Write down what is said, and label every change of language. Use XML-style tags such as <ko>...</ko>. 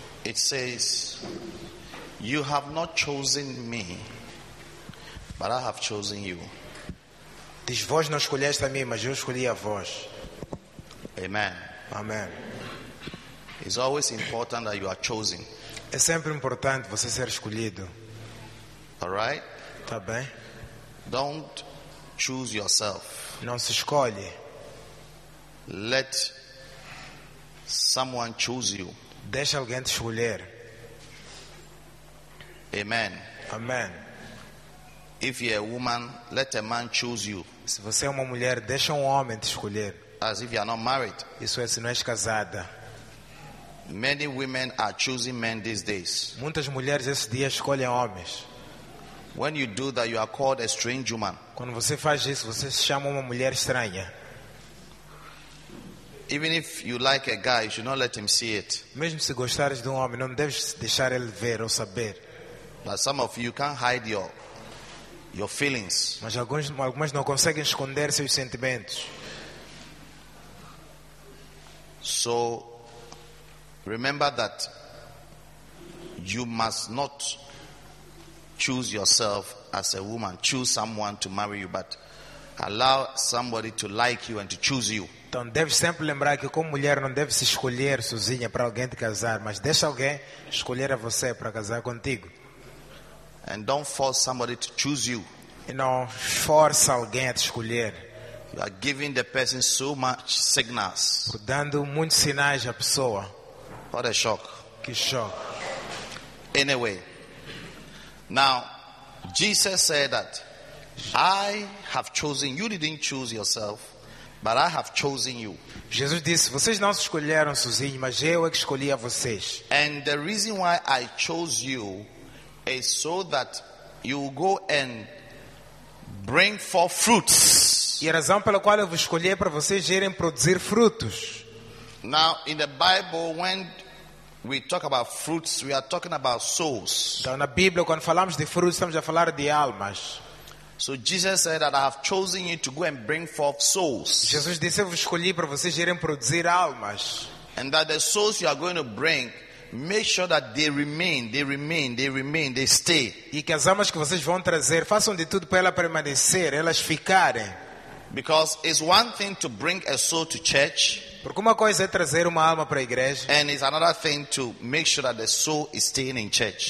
<en>It says, "You have not chosen me, but I have chosen you."</en> <pt>Diz, vós não escolheste a mim, mas eu escolhi a vós.</pt> <en>Amen.</en> <pt>Amen.</pt> <en>It's always important that you are chosen.</en> <pt>É sempre importante você ser escolhido.</pt> <en>All right?</en> <pt>Tá bem.</pt> <en>Don't choose yourself.</en> <pt>Não se escolhe.</pt> <en>Let someone choose you.</en> <pt>Deixa alguém te escolher.</pt> <en>Amen.</en> <pt>Amen.</pt> <en>If you're a woman, let a man choose you.</en> <pt>Se você é uma mulher, deixa um homem te escolher.</pt> <en>As if you are not married.</en> <pt>Isso é se não és casada.</pt> <en>Many women are choosing men these days.</en> <pt>Muitas mulheres esses dias escolhem homens.</pt> <en>When you do that, you are called a strange woman.</en> <pt>Quando você faz isso, você se chama uma mulher estranha.</pt> <en>Even if you like a guy, you should not let him see it.</en> <pt>Mesmo se gostares de um homem, não deves deixar ele ver ou saber.</pt> <en>But some of you can't hide your feelings.</en> <pt>Mas algumas não conseguem esconder seus sentimentos.</pt> <en>So remember that you must not choose yourself as a woman. Choose someone to marry you, but allow somebody to like you and to choose you.</en> <pt>Então deve sempre lembrar que como mulher não deve se escolher sozinha para alguém te casar, mas deixa alguém escolher a você para casar contigo.</pt> <en>And don't force somebody to choose you.</en> <pt>E não força alguém a te escolher.</pt> <en>You are giving the person so much signals.</en> <pt>Dando muitos sinais à pessoa.</pt> <en>What a shock.</en> <pt>Que shock.</pt> <en>Anyway, now Jesus said that I have chosen you. Didn't choose yourself, but I have chosen you.</en> <pt>Jesus disse, vocês não se escolheram sozinhos, mas eu é que escolhi a vocês.</pt> <en>And the reason why I chose you is so that you will go and bring forth fruits.</en> <pt>E a razão pela qual eu vos escolhi é para vocês irem produzir frutos.</pt> <en>Now in the Bible, when we talk about fruits, we are talking about souls.</en> <pt>Então na Bíblia, quando falamos de frutos, estamos a falar de almas.</pt> <en>So Jesus said that I have chosen you to go and bring forth souls.</en> <pt>Jesus disse, eu vos escolhi para vocês irem produzir almas.</pt> <en>And that the souls you are going to bring, make sure that they remain, they stay.</en> <pt>E que as almas que vocês vão trazer, façam de tudo para elas permanecer, elas ficarem.</pt> <en>Because it's one thing to bring a soul to church.</en> <pt>Porque uma coisa é trazer uma alma para a igreja.</pt> <en>And it's another thing to make sure that the soul is staying in church.</en>